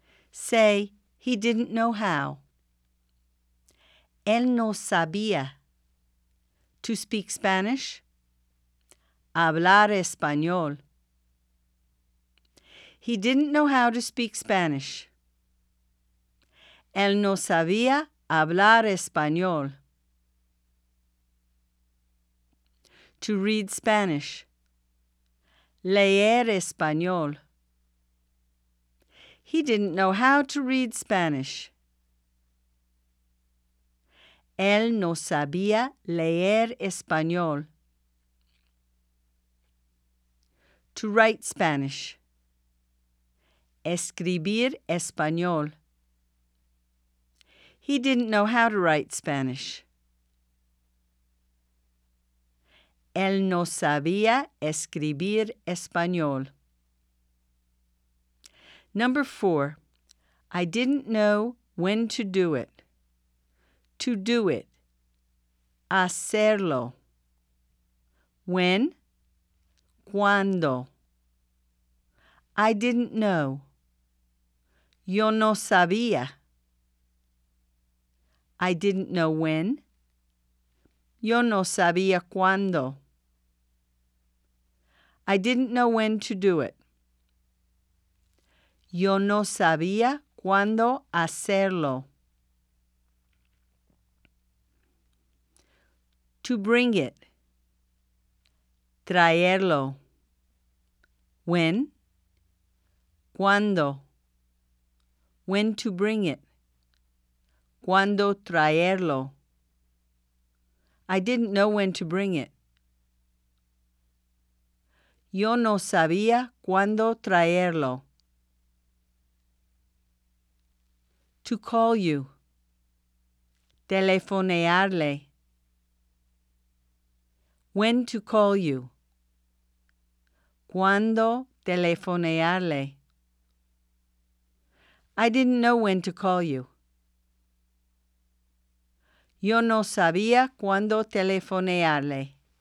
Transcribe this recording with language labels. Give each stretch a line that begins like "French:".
English: Say, he didn't know how.
Spanish: Él no sabía.
English: To speak Spanish?
Spanish: Hablar español.
English: He didn't know how to speak Spanish.
Spanish: Él no sabía hablar español.
English: To read Spanish.
Spanish: Leer español.
English: He didn't know how to read Spanish.
Spanish: Él no sabía leer español.
English: To write Spanish.
Spanish: Escribir español.
English: He didn't know how to write Spanish.
Spanish: Él no sabía escribir español.
English: Number 4. I didn't know when to do it. To do it.
Spanish: Hacerlo.
English: When?
Spanish: Cuando.
English: I didn't know.
Spanish: Yo no sabía.
English: I didn't know when.
Spanish: Yo no sabía cuándo.
English: I didn't know when to do it.
Spanish: Yo no sabía cuándo hacerlo.
English: To bring it.
Spanish: Traerlo.
English: When?
Spanish: Cuándo.
English: When to bring it.
Spanish: Cuando traerlo.
English: I didn't know when to bring it.
Spanish: Yo no sabía cuándo traerlo.
English: To call you.
Spanish: Telefonearle.
English: When to call you.
Spanish: Cuándo telefonearle.
English: I didn't know when to call you.
Spanish: Yo no sabía cuándo telefonearle.